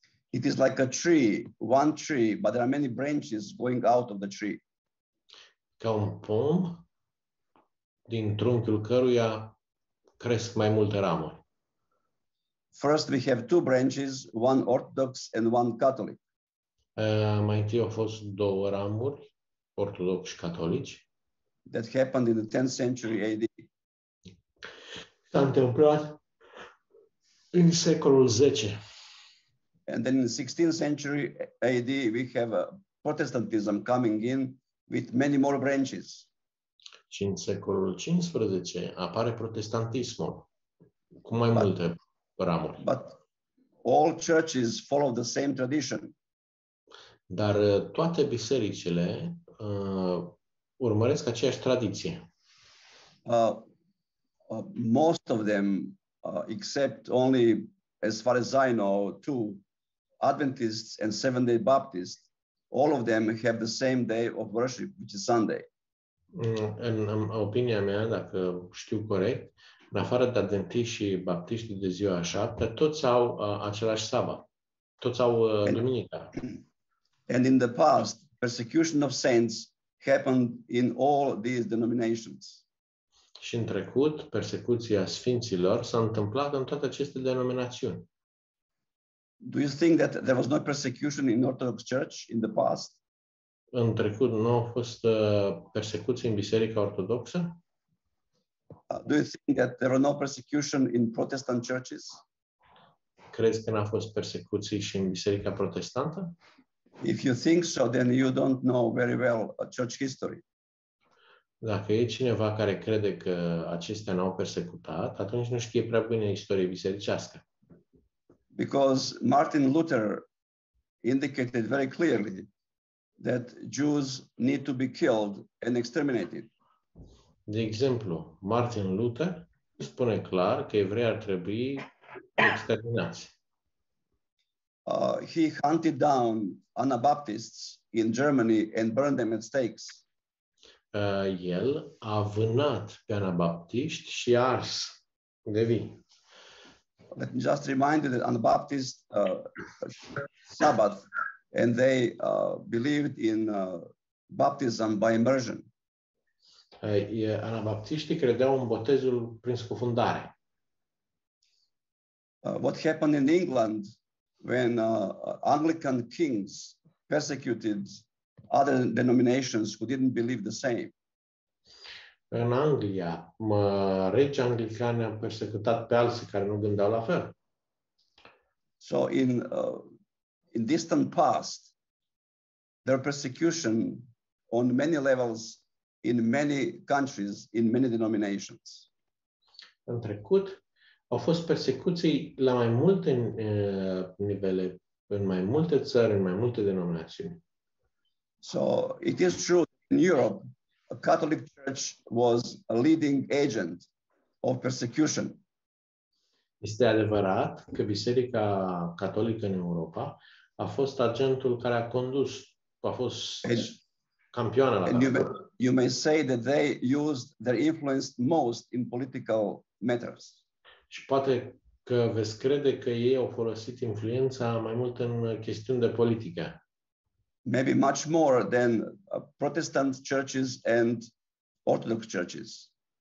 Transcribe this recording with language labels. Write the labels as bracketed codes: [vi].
[en] It is like a tree, one tree, but there are many branches going out of the tree. [ro] Ca un pom, din trunchiul căruia cresc mai multe ramuri. [en] First we have two branches, one Orthodox and one Catholic. [ro] Mai întâi au fost două ramuri, Ortodox și Catolici. [en] That happened in the 10th century AD. [ro] S-a întâmplat în secolul 10. [en] And then in the 16th century AD we have a Protestantism coming in with many more branches. [ro] Și în secolul 15 apare protestantismul cu mai multe ramuri. [en] But all churches follow the same tradition. [ro] Dar toate bisericile urmăresc aceeași tradiție. [en] Most of them except only as far as I know two Adventists and Seventh-day Baptists, all of them have the same day of worship, which is Sunday. [ro] În opinia mea, dacă știu corect, în afară de Adventiști și Baptiști de ziua a șaptea, toți au același sabat. Toți au duminica. [en] And in the past, persecution of saints happened in all these denominations. [ro] Și în trecut, persecuția sfinților s-a întâmplat în toate aceste denominațiuni. [en] Do you think that there was no persecution in Orthodox Church in the past? [ro] În trecut nu a fost persecuție în Biserica Ortodoxă? [en] Do you think that there were no persecution in Protestant churches? [ro] Crezi că n-a fost persecuții și în Biserica Protestantă? [en] If you think so, then you don't know very well church history. [ro] Dacă e cineva care crede că acestea n-au persecutat, atunci nu știe prea bine istoria bisericească. [en] Because Martin Luther indicated very clearly that Jews need to be killed and exterminated. [ro] De exemplu, Martin Luther spune clar că evreii ar trebui exterminați. [en] He hunted down Anabaptists in Germany and burned them at stakes. [ro] El a vânat pe anabaptiști și a ars de vii. [en] Let me just remind you that Anabaptists Sabbath and they believed in baptism by immersion. [ro] Anabaptiștii credeau în botezul prin scufundare. [en] What happened in England when Anglican kings persecuted other denominations who didn't believe the same? [ro] În Anglia, regii anglicani au persecutat pe alții care nu gândeau la fel. [en] So in distant past, there persecution on many levels in many countries, in many denominations. [ro] În trecut, au fost persecuții la mai multe nivele, în mai multe țări, în mai multe denominații. [en] So it is true in Europe, a Catholic Church was a leading agent of persecution. [ro] Este adevărat că Biserica Catolică în Europa a fost agentul care a condus, a fost campioană la Catolică. [en] You may say that they used their influence most in political matters. [ro] Și poate că veți crede că ei au folosit influența mai mult în chestiuni de politică. [en] Maybe much more than Protestant churches and Orthodox churches.